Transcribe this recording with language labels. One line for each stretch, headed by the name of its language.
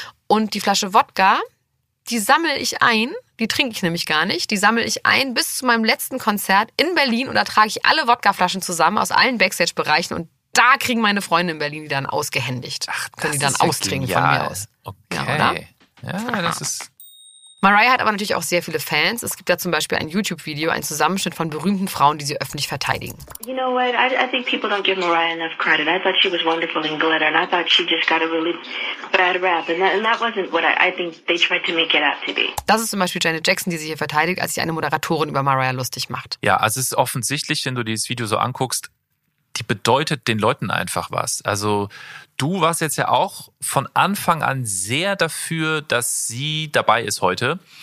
German: Und die Flasche Wodka, die sammle ich ein. Die trinke ich nämlich gar nicht. Die sammle ich ein bis zu meinem letzten Konzert in Berlin und da trage ich alle Wodkaflaschen zusammen aus allen Backstage-Bereichen und da kriegen meine Freunde in Berlin die dann ausgehändigt. Ach, das können die dann austrinken ja von mir aus. Okay. Ja, oder? Ja, das ist... Mariah hat aber natürlich auch sehr viele Fans. Es gibt da zum Beispiel ein YouTube-Video, einen Zusammenschnitt von berühmten Frauen, die sie öffentlich verteidigen.
English: You know what? I think people don't give Mariah enough credit. I thought she was wonderful in Glitter and I thought she just got a really bad rap. And that wasn't what I think they tried to make it out to be.
German: Das ist zum Beispiel Janet Jackson, die sie hier verteidigt, als sie eine Moderatorin über Mariah lustig macht. Ja, also es ist offensichtlich, wenn du dieses Video so anguckst, die bedeutet den Leuten einfach was. Also du warst jetzt ja auch von Anfang an sehr dafür, dass sie dabei ist heute.